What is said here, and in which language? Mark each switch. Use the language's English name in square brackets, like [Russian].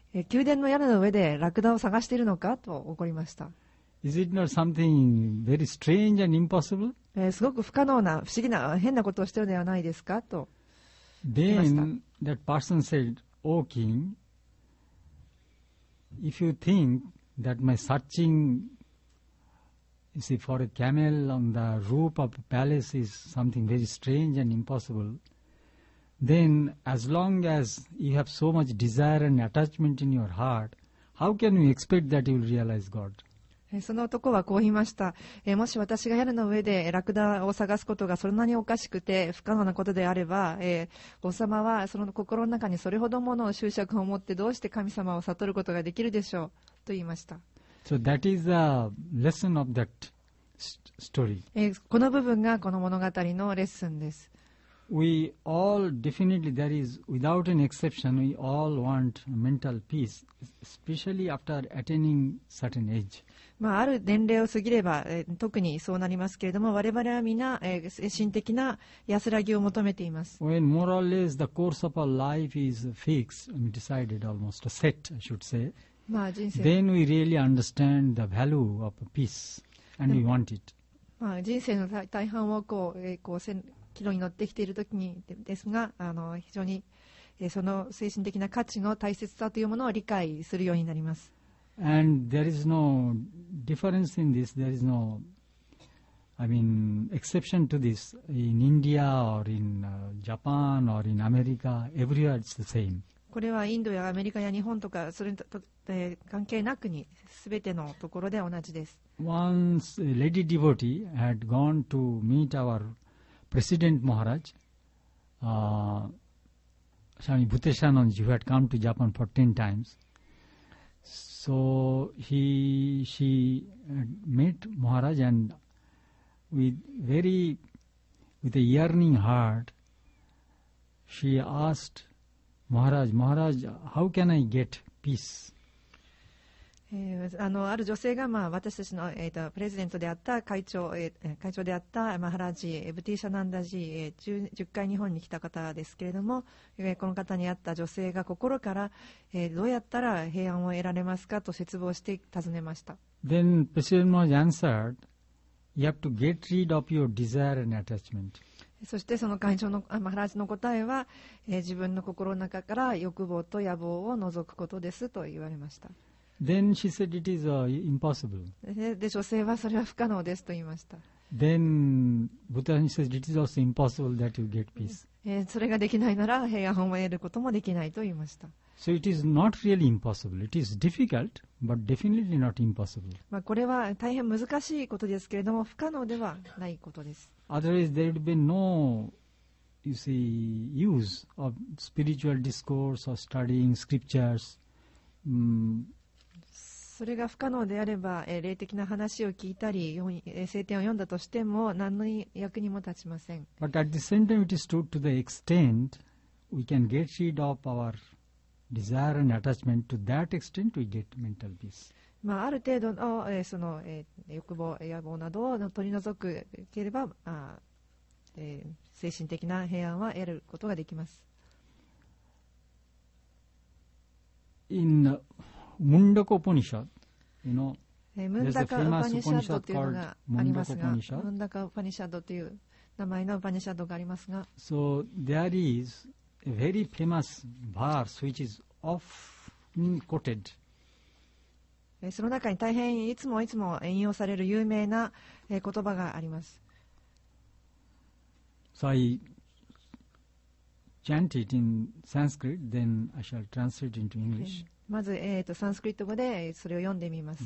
[Japanese] 宮殿の屋根の上でラクダを探しているのかと怒りました。 [English] Is it not something very strange and impossible? [Japanese] すごく不可能な不思議な変なことをしているのではないですかと聞きました。 [English] Then that person said, "O king, if you think that my searching, you see, for a camel on the roof of a palace is something very strange and impossible, then as long as you have so much desire and attachment in your heart, how can you expect that you will realize God?" [Japanese] その男はこう言いました。もし私が屋根の上でラクダを探すことがそんなにおかしくて不可能なことであれば、王様はその心の中にそれほどもの執着を持ってどうして神様を悟ることができるでしょう。と言いました。 [English] So that is the lesson of that story. [Japanese] この部分がこの物語のレッスンです。 [English] We all definitely, that is, without an exception, we all want mental peace, especially after attaining certain age. [Japanese] まあ、ある年齢を過ぎれば、特にそうなりますけれども、我々は皆、精神的な安らぎを求めています。 [English] When more or less the course of our life is fixed, decided almost, set, I should say, [Japanese] まあ、人生 [English] then we really understand the value of peace and we want it. [Japanese] まあ、人生の大半をこう、軌道に乗ってきているときにですが、非常に、その精神的な価値の大切さというものを理解するようになります。 [English] And there is no difference in this. There is no, I mean, exception to this. In India or in Japan or in America, everywhere it's the same. [Japanese] これはインドやアメリカや日本とかそれと、関係なくに全てのところで同じです。 [English] Once a lady devotee had gone to meet our president Maharaj Swami Bhuteshanand ji, who had come to Japan for 10 times. So she met Maharaj and with a yearning heart she asked Maharaj, how can I get peace? [Japanese] ある女性が、まあ、私たちの、プレゼントであった会長、会長であったマハラジブティシャナンダジ、10回日本に来た方ですけれども、この方に会った女性が心から、どうやったら平安を得られますかと絶望して尋ねました。 [English] Then President Maharaj answered, You have to get rid of your desire and attachment. [Japanese] そしてその会長のマハラジの答えは、自分の心の中から欲望と野望を除くことですと言われました。 [English] Then she said it is impossible. [Japanese] で、女性はそれは不可能ですと言いました。 [English] Then Buddha says it is also impossible that you get peace. [Japanese] それができないなら平安を得ることもできないと言いました。 [English] So it is not really impossible. It is difficult, but definitely not impossible. [Japanese] まあこれは大変難しいことですけれども不可能ではないことです。 [English] Otherwise there would be no, you see, use of spiritual discourse or studying scriptures. [Japanese] それが不可能であれば、霊的な話を聞いたり、聖典を読んだとしても何の役にも立ちません。 [English] But at the same time, it is true to the extent we can get rid of our desire and attachment, to that extent we get mental peace. [Japanese] まあ、ある程度の、その、欲望、野望などを取り除くければ、精神的な平安は得ることができます。 [English] In the... [Japanese] ムンダカ・ウパニシャッド、ムンダカ・ウパニシャッドというのがありますが、ムンダカ・ウパニシャッドという名前のウパニシャッドがありますが、 [English] So there is a very famous verse which is often quoted. [Japanese] その中に大変いつもいつも引用される有名な言葉があります。 [English] So I chant it in Sanskrit, then I shall translate into English. [Japanese] まず、サンスクリット語でそれを読んでみます。